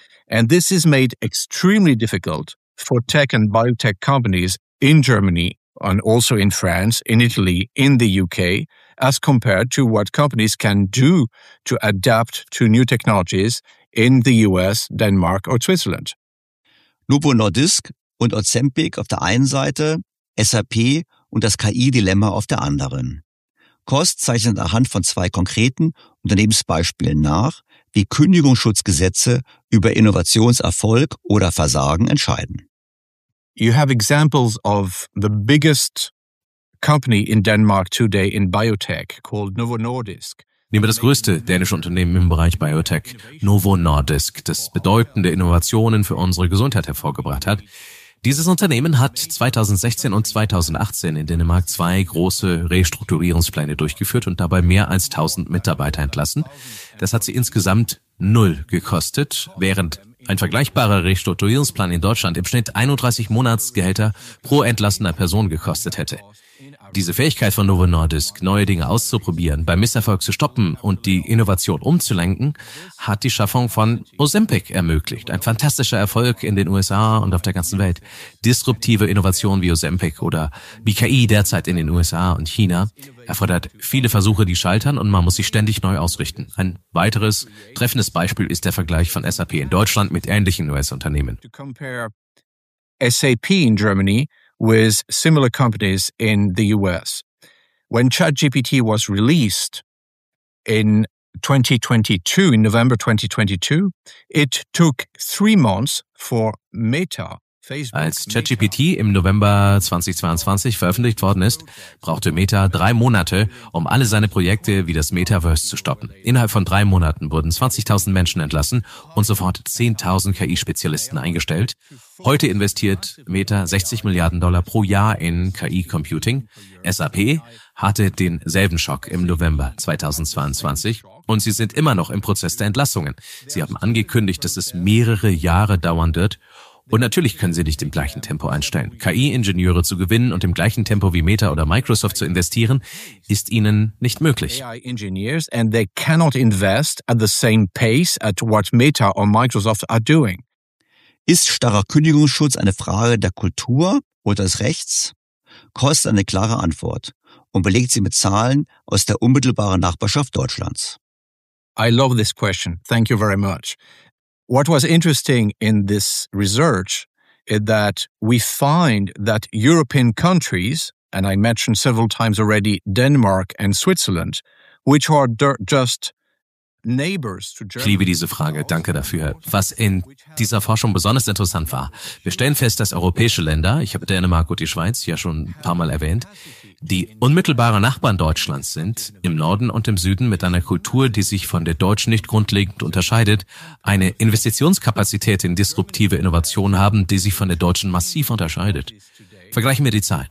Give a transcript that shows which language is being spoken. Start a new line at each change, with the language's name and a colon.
English: And this is made extremely difficult for tech and biotech companies in Germany and also in France, in Italy, in the UK, as compared to what companies can do to adapt to new technologies in the US, Denmark or Switzerland.
German: Novo Nordisk und Ozempic auf der einen Seite, SAP und das KI-Dilemma auf der anderen. Kost zeichnet anhand von 2 konkreten Unternehmensbeispielen nach, wie Kündigungsschutzgesetze über Innovationserfolg oder Versagen entscheiden.
English: You have examples of the biggest company in Denmark today in biotech called Novo Nordisk.
German: Nehmen wir das größte dänische Unternehmen im Bereich Biotech, Novo Nordisk, das bedeutende Innovationen für unsere Gesundheit hervorgebracht hat. Dieses Unternehmen hat 2016 und 2018 in Dänemark 2 große Restrukturierungspläne durchgeführt und dabei mehr als 1000 Mitarbeiter entlassen. Das hat sie insgesamt 0 gekostet, während ein vergleichbarer Restrukturierungsplan in Deutschland im Schnitt 31 Monatsgehälter pro entlassener Person gekostet hätte. Diese Fähigkeit von Novo Nordisk, neue Dinge auszuprobieren, beim Misserfolg zu stoppen und die Innovation umzulenken, hat die Schaffung von Ozempic ermöglicht. Ein fantastischer Erfolg in den USA und auf der ganzen Welt. Disruptive Innovationen wie Ozempic oder wie KI derzeit in den USA und China erfordert viele Versuche, die scheitern, und man muss sich ständig neu ausrichten. Ein weiteres treffendes Beispiel ist der Vergleich von SAP in Deutschland mit ähnlichen US-Unternehmen.
English: SAP in Germany with similar companies in the US. When ChatGPT was released in 2022, in November 2022, it took 3 months for Meta.
German: Als ChatGPT im November 2022 veröffentlicht worden ist, brauchte Meta 3 Monate, um alle seine Projekte wie das Metaverse zu stoppen. Innerhalb von 3 Monaten wurden 20.000 Menschen entlassen und sofort 10.000 KI-Spezialisten eingestellt. Heute investiert Meta 60 Milliarden Dollar pro Jahr in KI-Computing. SAP hatte denselben Schock im November 2022. Und sie sind immer noch im Prozess der Entlassungen. Sie haben angekündigt, dass es mehrere Jahre dauern wird. Und natürlich können sie nicht im gleichen Tempo einstellen. KI-Ingenieure zu gewinnen und im gleichen Tempo wie Meta oder Microsoft zu investieren, ist ihnen nicht möglich.
English: AI-Engineers and they cannot invest at the same pace at what Meta or Microsoft are doing.
German: Ist starrer Kündigungsschutz eine Frage der Kultur oder des Rechts? Kost eine klare Antwort und belegt sie mit Zahlen aus der unmittelbaren Nachbarschaft Deutschlands.
English: I love this question. Thank you very much. What was interesting in this research is that we find that European countries, and I mentioned several times already Denmark and Switzerland, which are just neighbors to Germany.
German: Ich liebe diese Frage, danke dafür. Was in dieser Forschung besonders interessant war, wir stellen fest, dass europäische Länder, ich habe Dänemark und die Schweiz ja schon ein paar Mal erwähnt, die unmittelbare Nachbarn Deutschlands sind, im Norden und im Süden mit einer Kultur, die sich von der deutschen nicht grundlegend unterscheidet, eine Investitionskapazität in disruptive Innovationen haben, die sich von der deutschen massiv unterscheidet. Vergleichen wir die Zahlen.